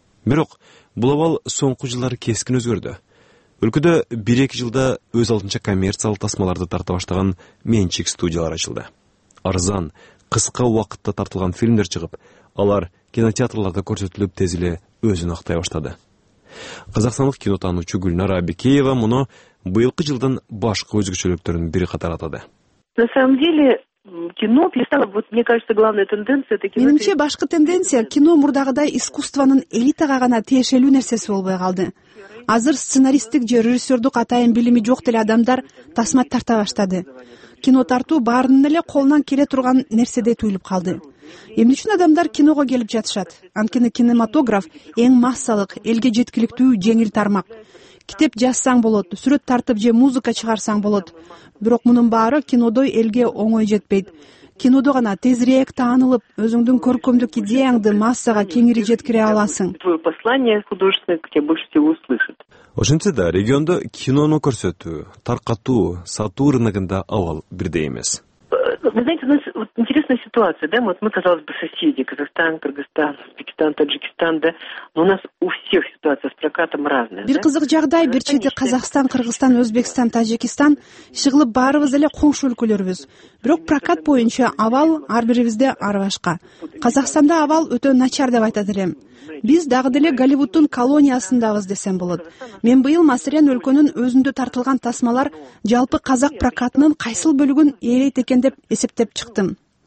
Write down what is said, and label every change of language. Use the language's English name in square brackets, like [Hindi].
[Kyrgyz] Бирок бул абал соңку жылдары кескин өзгөрдү. Өлкөдө 1-2 жылда өз алдынча коммерциялык тасмаларды тарта баштаган менчик студиялар ачылды. Арзан, кыска убакытта тартылган фильмдер чыгып, алар кинотеатрларда көрсөтүлүп, тез эле өзүн актай баштады. Казакстандык кинотаануучу Гүлнара Абикеева муну быйылкы жылдын башкы өзгөчөлүктөрүнүн бири катары атады. [Russian] На самом деле кино перестало, вот мне кажется, главная тенденция это кино. [Kyrgyz] Менимче башкы тенденция кино мурдагыдай искусствонун элитага гана тиешелүү нерсеси болбой калды. Азыр сценаристтик же режиссердук атайын билими жок деле адамдар тасма тарта баштады. Кино тартуу баарынын эле колунан келе турган нерседе туюлуп калды. Эмне үчүн адамдар киного келип жатышат? Анткени кинематограф эң массалык, элге жеткиликтүү жеңил тармак. Китеп жазсаң болот, сүрөт тартып же музыка чыгарсаң болот. Бирок мунун баары кинодой элге оңой жетпейт. Кинодо гана тезирээк таанылып, өзүңдүн көркөмдүк идеяңды массага кеңири жеткире аласың. [Russian] Твое послание художественное к тебе больше всего услышат. [Kyrgyz] Ошентсе да, региондо кинону көрсөтүү, таркатуу, сатуу рыногунда абал бирдей эмес. [Russian] Вы знаете, у нас вот интересная ситуация, да? Вот мы, казалось бы, соседи: Казахстан, Кыргызстан, Узбекистан, Таджикистан, да? Но у нас у всех ситуация с прокатом разная. [Kyrgyz] Бир кызык жагдай, бир чети Казахстан, Кыргызстан, Узбекистан, Таджикистан, чыгылып баарыбыз эле коңшу өлкөлөрбүз. Бирок прокат боюнча абал ар бирибизде ар башка. Казахстанда абал өтө начар деп айтат элем. Биз дагы деле Голливудтун колониясындабыз десем болот. Мен быйыл маселен өлкөнүн өзүндө тартылган тасмалар жалпы казак прокатынын кайсыл бөлүгүн ээлейт экен деп эсептеп чыктым.